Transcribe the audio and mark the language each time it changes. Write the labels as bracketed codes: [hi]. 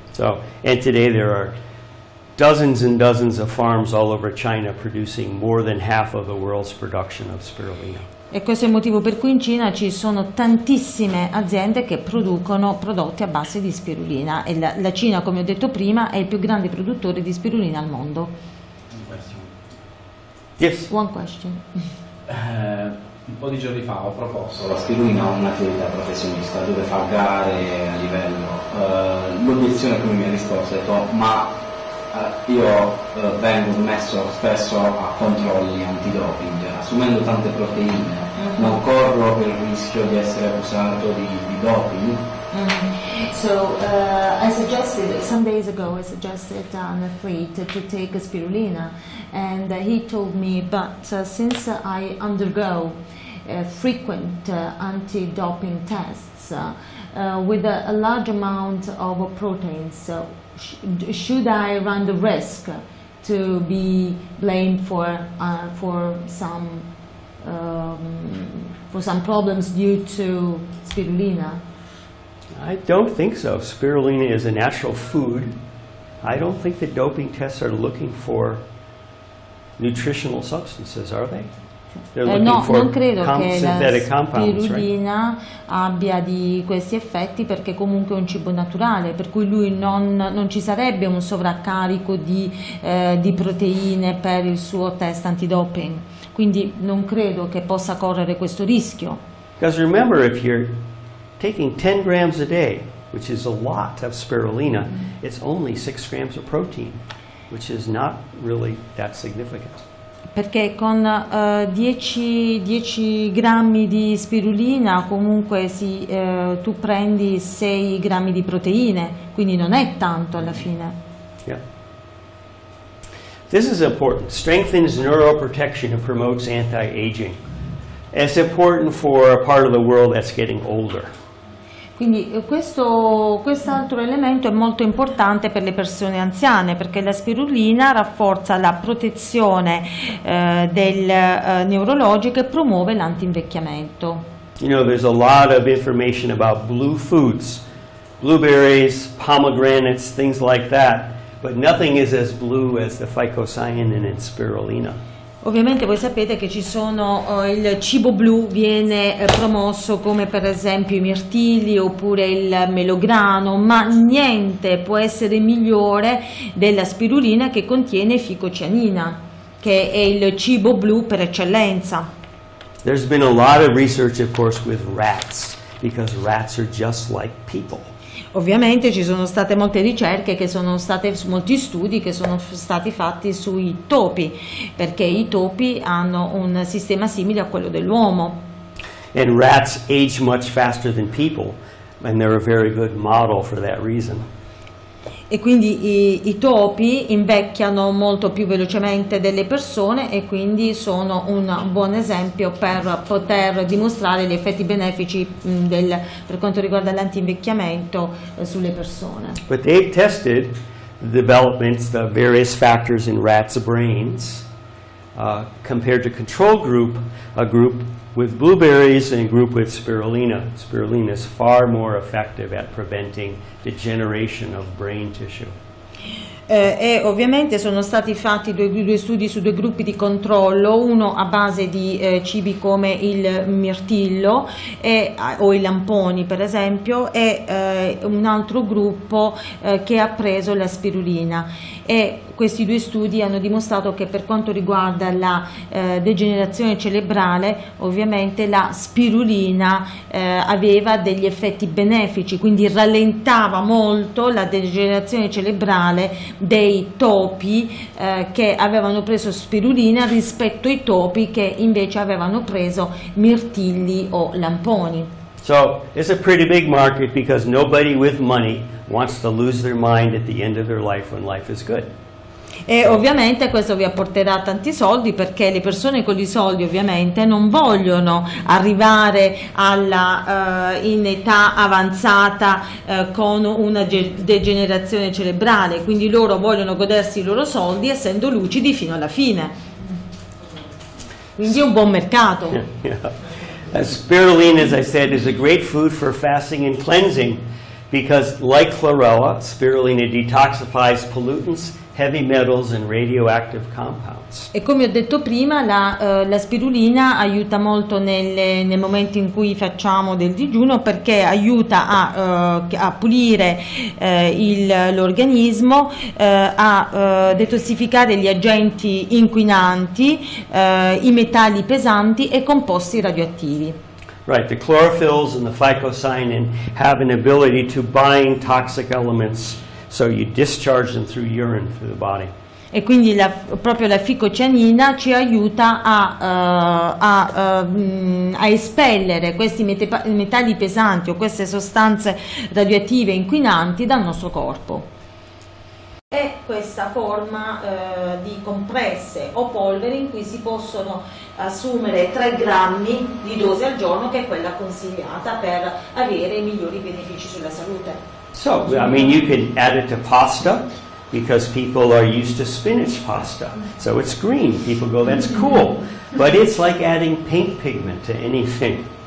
[en] So, and today there are dozens and dozens of farms all over China producing more than half of the world's production of spirulina. [it] E questo è il motivo per cui in Cina ci sono tantissime aziende che producono prodotti a base di spirulina. E la Cina, come ho detto prima, è il più grande produttore di spirulina al mondo. [en] Yes. One question. [it] Un po' di giorni fa ho proposto la spirulina a un'atleta professionista dove fa gare a livello. L'obiezione che mi ha risposto è detto, ma io vengo messo spesso a controlli antidoping, assumendo tante proteine, non corro il rischio di essere accusato di doping. [en] So I suggested some days ago, I suggested an athlete to take a spirulina, and he told me, but since I undergo frequent anti-doping tests with a large amount of proteins, so should I run the risk to be blamed for some problems due to spirulina? I don't think so. Spirulina is a natural food. I don't think the doping tests are looking for nutritional substances, are they? [it] No, non credo che la spirulina abbia di questi effetti, perché comunque è un cibo naturale, per cui lui non ci sarebbe un sovraccarico di proteine per il suo test antidoping. Quindi non credo che possa correre questo rischio. [en] Because remember, if you're taking 10 grams a day, which is a lot of spirulina, it's only 6 grams of protein, which is not really that significant. [it] Perché con 10 grammi di spirulina comunque tu prendi 6 grammi di proteine, quindi non è tanto alla fine. [en] Yeah. This is important. Strengthens neuroprotection and promotes anti-aging. It's important for a part of the world that's getting older. [it] Quindi quest'altro elemento è molto importante per le persone anziane, perché la spirulina rafforza la protezione neurologica e promuove l'antinvecchiamento. [en] You know, there's a lot of information about blue foods, blueberries, pomegranates, things like that, but nothing is as blue as the phycocyanin in spirulina. [it] Ovviamente voi sapete che ci sono il cibo blu viene promosso, come per esempio i mirtilli oppure il melograno, ma niente può essere migliore della spirulina, che contiene ficocianina, che è il cibo blu per eccellenza. [en] There's been a lot of research, of course, with rats, because rats are just like people. [it] Ovviamente ci sono state molte ricerche, molti studi che sono stati fatti sui topi, perché i topi hanno un sistema simile a quello dell'uomo. [en] And rats age much faster than people, and they're a very good model for that reason. [it] E quindi i topi invecchiano molto più velocemente delle persone, e quindi sono un buon esempio per poter dimostrare gli effetti benefici per quanto riguarda l'antinvecchiamento sulle persone. [en] But they've tested the developments, the various factors in rats' brains, compared to control group, a group with blueberries and a group with spirulina. Spirulina is far more effective at preventing degeneration of brain tissue. [it] E ovviamente sono stati fatti due studi su due gruppi di controllo, uno a base di cibi come il mirtillo o i lamponi per esempio, e un altro gruppo che ha preso la spirulina, e questi due studi hanno dimostrato che per quanto riguarda la degenerazione cerebrale, ovviamente la spirulina aveva degli effetti benefici, quindi rallentava molto la degenerazione cerebrale dei topi che avevano preso spirulina rispetto ai topi che invece avevano preso mirtilli o lamponi. [en] So, it's a pretty big market, because nobody with money wants to lose their mind at the end of their life when life is good. [it] E ovviamente questo vi apporterà tanti soldi, perché le persone con i soldi ovviamente non vogliono arrivare alla, in età avanzata, con una degenerazione cerebrale, quindi loro vogliono godersi i loro soldi essendo lucidi fino alla fine. Quindi è un buon mercato. [en] Spirulina, as I said, is a great food for fasting and cleansing, because like chlorella, spirulina detoxifies pollutants, heavy metals and radioactive compounds. [it] E come ho detto prima, la, la spirulina aiuta molto nelle, nel momento in cui facciamo del digiuno, perché aiuta a, a pulire il, l'organismo, a detossificare gli agenti inquinanti, i metalli pesanti e composti radioattivi. [en] Right, the chlorophylls and the phycocyanin have an ability to bind toxic elements, so you discharge them through urine through the body. [it] E quindi la, proprio la ficocianina ci aiuta a, a espellere questi metalli pesanti o queste sostanze radioattive inquinanti dal nostro corpo. È questa forma di compresse o polvere in cui si possono assumere 3 grammi di dose al giorno, che è quella consigliata per avere i migliori benefici sulla salute. [en] So, I mean, you can add it to pasta, because people are used to spinach pasta. So it's green. People go, that's cool. But it's like adding paint pigment to anything.